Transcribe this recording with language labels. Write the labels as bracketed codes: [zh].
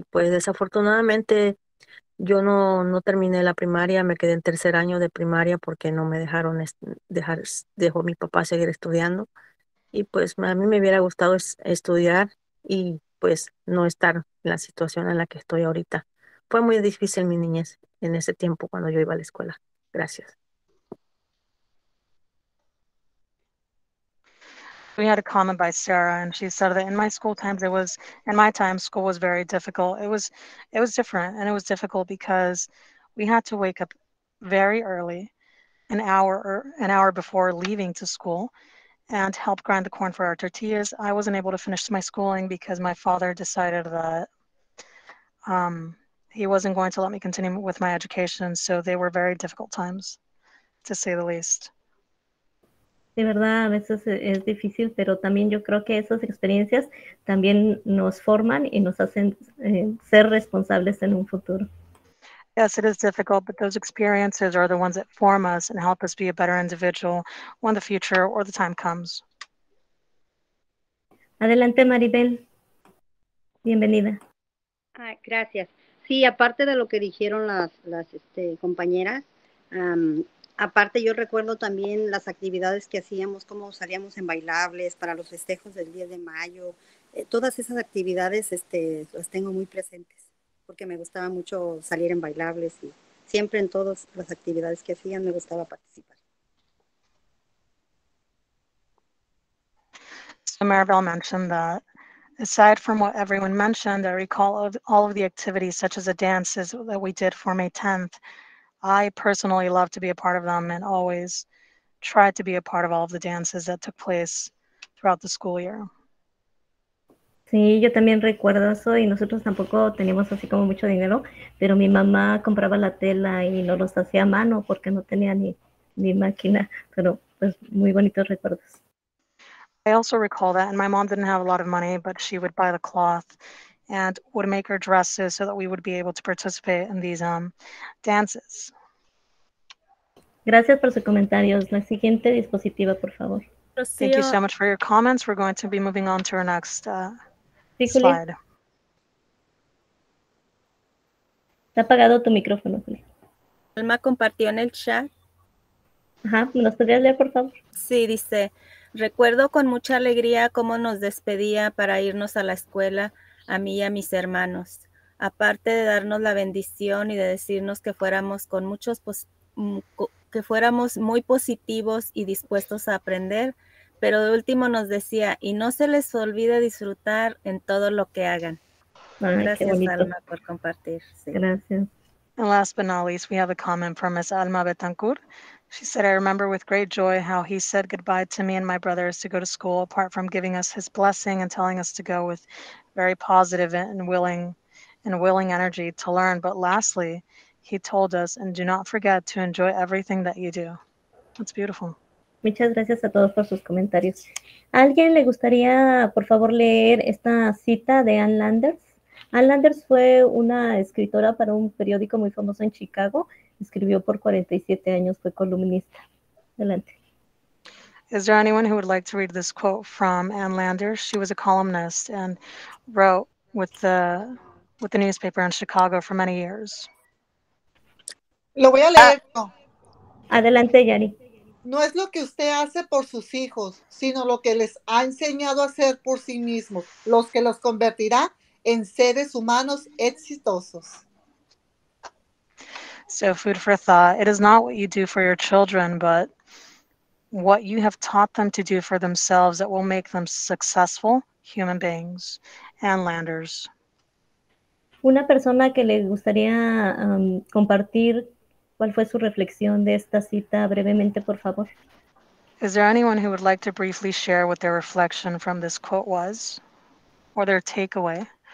[es] Y pues desafortunadamente yo no terminé la primaria, me quedé en tercer año de primaria porque no me dejaron dejó mi papá seguir estudiando. Y pues a mí me hubiera gustado estudiar y pues no estar en la situación en la que estoy ahorita. Fue muy difícil mi niñez en ese tiempo cuando yo iba a la escuela. Gracias. [en] We had a comment by Sarah, and she said that in my school times, school was very difficult. It was different, and it was difficult because we had to wake up very early, an hour before leaving to school, and help grind the corn for our tortillas. I wasn't able to finish my schooling because my father decided that he wasn't going to let me continue with my education. So they were very difficult times, to say the least. [es] De verdad, a veces es difícil, pero también yo creo que esas experiencias también nos forman y nos hacen ser responsables en un futuro. [en] Yes, it is difficult, but those experiences are the ones that form us and help us be a better individual when the future or the time comes. [es] Adelante, Maribel. Bienvenida. Ah, gracias. Sí, aparte de lo que dijeron las compañeras, aparte yo recuerdo también las actividades que hacíamos, cómo salíamos en bailables para los festejos del 10 de mayo. Todas esas actividades las tengo muy presentes. Porque me gustaba mucho salir en bailables y siempre en todas las actividades que hacían me gustaba participar. [en] So Maribel mentioned that, aside from what everyone mentioned, I recall all of the activities such as the dances that we did for May 10th. I personally loved to be a part of them and always tried to be a part of all of the dances that took place throughout the school year. [es] Sí, yo también recuerdo eso y nosotros tampoco teníamos así como mucho dinero, pero mi mamá compraba la tela y no los hacía a mano porque no tenía ni máquina, pero pues muy bonitos recuerdos. [en] I also recall that, and my mom didn't have a lot of money, but she would buy the cloth and would make her dresses so that we would be able to participate in these dances. [es] Gracias por sus comentarios. La siguiente diapositiva, por favor. [en] Thank you so much for your comments. We're going to be moving on to our next slide. [es] Está apagado tu micrófono, Juli. Alma compartió en el chat. Ajá, ¿nos podrías leer, por favor? Sí, dice, recuerdo con mucha alegría cómo nos despedía para irnos a la escuela a mí y a mis hermanos. Aparte de darnos la bendición y de decirnos que fuéramos con muchos que fuéramos muy positivos y dispuestos a aprender, pero de último nos decía, y no se les olvide disfrutar en todo lo que hagan. Gracias, Alma, por compartir. Sí. Gracias. [en] And last but not least, we have a comment from Ms. Alma Betancourt. She said, I remember with great joy how he said goodbye to me and my brothers to go to school, apart from giving us his blessing and telling us to go with very positive and willing energy to learn. But lastly, he told us, and do not forget to enjoy everything that you do. That's beautiful. [es] Muchas gracias a todos por sus comentarios. ¿Alguien le gustaría, por favor, leer esta cita de Ann Landers? Ann Landers fue una escritora para un periódico muy famoso en Chicago. Escribió por 47 años, fue columnista. Adelante. [en] Is there anyone who would like to read this quote from Ann Landers? She was a columnist and wrote with the newspaper in Chicago for many years. [es] Lo voy a leer. Adelante, Yanni. No es lo que usted hace por sus hijos, sino lo que les ha enseñado a hacer por sí mismos, los que los convertirá en seres humanos exitosos. [en] So food for thought. It is not what you do for your children, but what you have taught them to do for themselves that will make them successful human beings. Ann Landers. [es] Una persona que le gustaría compartir, ¿cuál fue su reflexión de esta cita? Brevemente, por favor. [en] Is there anyone who would like to briefly share what their reflection from this quote was or their takeaway?